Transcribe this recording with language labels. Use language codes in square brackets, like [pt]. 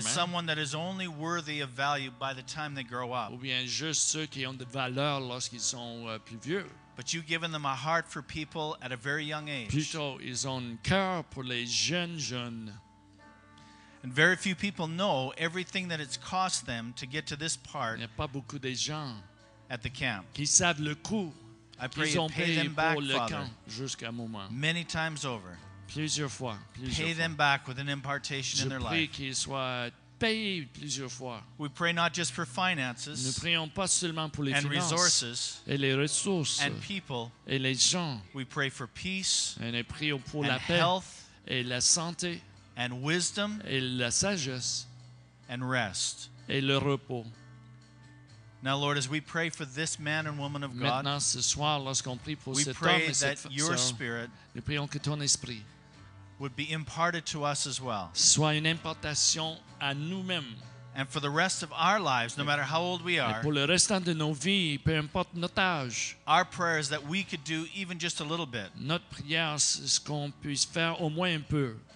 [en] As someone that is only worthy of value by the time they grow up. [fr] Ou bien juste ceux qui ont de valeur lorsqu'ils sont plus vieux. [en] But you've given them a heart for people at a very young age. [fr] Plutôt, ils ont un cœur pour les jeunes. [en] And very few people know everything that it's cost them to get to this part. [fr] Il n'y a pas beaucoup de gens [en] at the camp. [fr] Qui savent le coût. [en] I pray you pay them back, [fr] pour le [en] Father, [fr] camp jusqu'à un moment. [en] Many times over. [fr] Plusieurs fois, plusieurs [en] pay [fr] fois. [en] Them back with an impartation [fr] Je [en] in their [fr] prie [en] life. [fr] Qu'ils soient payés plusieurs fois. [en] We pray not just for finances [fr] Nous prions pas seulement pour les [en] and [fr] finances [en] resources [fr] et les ressources [en] and people. [fr] Et les gens. [en] We pray for peace [fr] et nous prions pour [en] and [fr] la [en] health [fr] paix et la santé [en] and wisdom [fr] et la sagesse [en] and rest. [fr] Et le repos. [en] Now, Lord, as we pray for this man and woman of God, [fr] ce soir, lorsqu'on prie pour [en] we [fr] cet [en] pray [fr] homme [en] that [fr] et cette [en] your [fr] soeur, [en] spirit [fr] nous prions que ton esprit [en] would be imparted to us as well. [fr] Soit une impartation à nous-mêmes. [en] And for the rest of our lives, no matter how old we are, [fr] et pour le restant de nos vies, peu importe notre âge, [en] our prayer is that we could do even just a little bit. [fr] Notre prière, c'est qu'on puisse faire au moins un peu.